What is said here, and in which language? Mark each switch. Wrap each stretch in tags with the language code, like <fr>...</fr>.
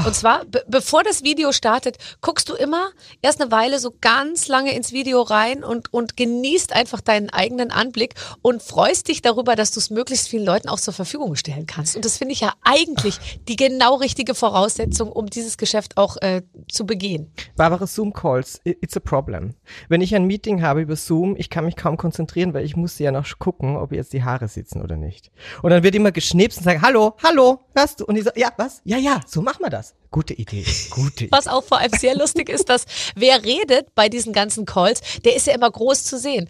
<de>Und zwar, bevor das Video startet, guckst du immer erst eine Weile so ganz lange ins Video rein und genießt einfach deinen eigenen Anblick und freust dich darüber, dass du es möglichst vielen Leuten auch zur Verfügung stellen kannst. Und das finde ich ja eigentlich die genau richtige Voraussetzung, um dieses Geschäft auch zu begehen.</de> <en>Barbara, Zoom Calls, it's a problem.</en> <de>Wenn ich ein Meeting habe über Zoom, ich kann mich kaum konzentrieren, weil ich muss ja noch gucken, ob jetzt die Haare sitzen oder nicht. Und dann wird immer geschnipst und sagen, hallo, hallo, hörst du? Und ich so, ja, was? Ja, ja, so machen wir das. Gute Idee, gute Idee. Was auch vor allem sehr lustig ist, dass wer redet bei diesen ganzen Calls, der ist ja immer groß zu sehen.</de>